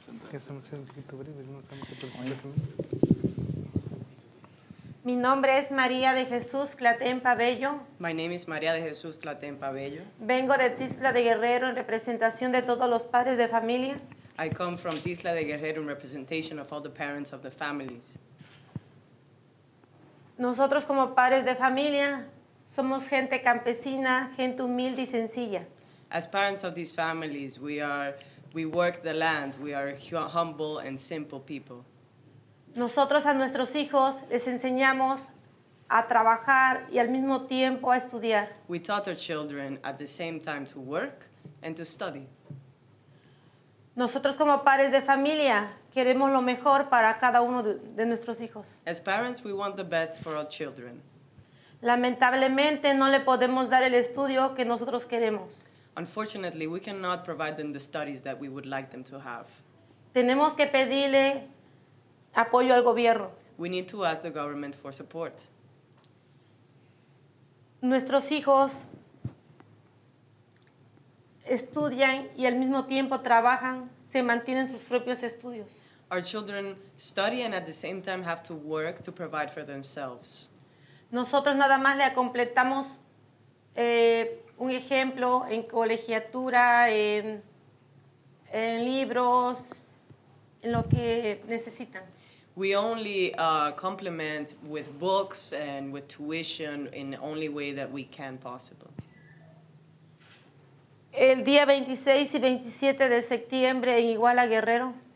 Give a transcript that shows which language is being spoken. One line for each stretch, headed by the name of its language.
Spanish: Que estamos en un poquito breve, no estamos que participar también. Mi nombre es María de Jesús Tlatén Pabello.
English: My name is María de Jesús Tlatén Pabello.
Spanish: Vengo de Tizla de Guerrero en representación de todos los padres de familia.
English: I come from Tizla de Guerrero in representation of all the parents of the families.
Spanish: Nosotros como padres de familia somos gente campesina, gente humilde y sencilla.
English: As parents of these families, we work the land. We are humble and simple people.
Spanish: Nosotros a nuestros hijos les enseñamos a trabajar y al mismo tiempo a estudiar.
English: We taught our children at the same time to work and to study.
Spanish: Nosotros como padres de familia queremos lo mejor para cada uno de nuestros hijos.
English: As parents, we want the best for our children.
Spanish: Lamentablemente, no le podemos dar el estudio que nosotros queremos.
English: Unfortunately, we cannot provide them the studies that we would like them to have.
Spanish: Tenemos que pedirle apoyo al gobierno.
English: We need to ask the government for support.
Spanish: Nuestros hijos estudian y al mismo tiempo trabajan, se mantienen sus propios estudios.
English: Our children study and at the same time have to work to provide for themselves.
Spanish: Nosotros nada más le completamos un ejemplo en colegiatura, en libros, en lo que necesitan.
English: We only complement with books and with tuition in the only way that we can possible.
Spanish: El día 26 y 27 de septiembre en Iguala, Guerrero.